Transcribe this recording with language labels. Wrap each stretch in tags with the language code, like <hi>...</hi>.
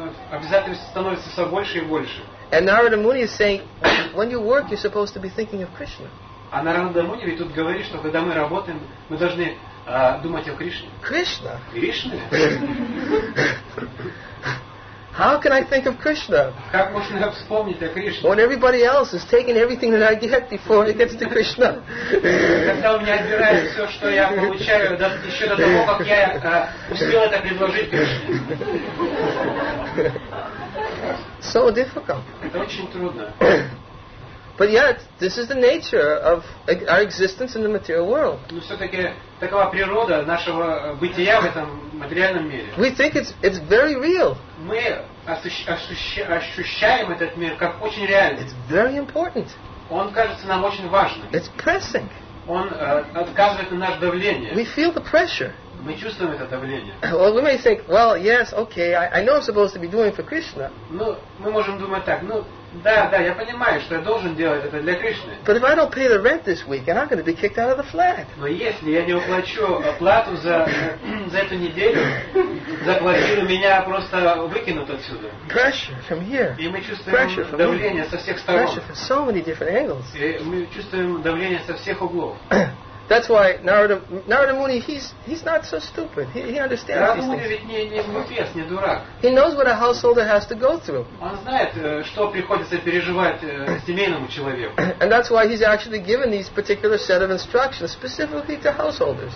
<ru>Обязательств становится все больше и больше.</ru> <en>And Narada Muni is saying, when you work, you're supposed to be thinking of Krishna.</en> <ru>А Нарада Муни ведь тут говорит, что когда мы работаем, мы должны думать о Кришне. Кришна. Кришна.</ru> <en>How can I think of Krishna?</en> <ru>Как можно вспомнить о Кришне?</ru> <en>When everybody else is taking everything that I get before it gets to Krishna.</en> <ru>Когда у меня отбирают все, что я получаю, еще до того, как я успел это предложить Кришне.</ru> <en>So difficult.</en> <ru>Это очень трудно.</ru> <en>But yet, this is the nature of our existence in the material world.</en> <ru>Но все-таки такова природа нашего бытия в этом материальном мире.</ru> <en>We think it's very real.</en> <ru>Мы ощущаем этот мир как очень реальный.</ru> <en>It's very important.</en> <ru>Он кажется нам очень важным.</ru> <en>It's pressing.</en> <ru>Он отказывает на наше давление.</ru> <en>We feel the pressure.</en> <ru>Мы чувствуем это давление.</ru> <en>Well, we may think, well, yes, okay, I know I'm supposed to be doing for Krishna.</en> <ru>Ну, мы можем думать так, да, я понимаю, что я должен делать это для Кришны.</ru> <en>But if I don't pay the rent this week, I'm going to be kicked out of the flat.</en> <ru>Но если я не уплачу плату за эту неделю, за квартиру, меня просто выкинут отсюда.</ru> <en>Pressure from here.</en> <ru>И мы чувствуем давление со всех сторон.</ru> <en>Pressure from so many different angles.</en> <ru>И мы чувствуем давление со всех углов.</ru> <en>That's why Narada Muni, he's not so stupid. He understands these things.</en> <ru>Narada Muni ведь не глупец, не дурак.</ru> <en>He knows what a householder has to go through.</en> <ru>Он знает, что приходится переживать семейному человеку.</ru> <en>And that's why he's actually given these particular set of instructions specifically to householders.</en>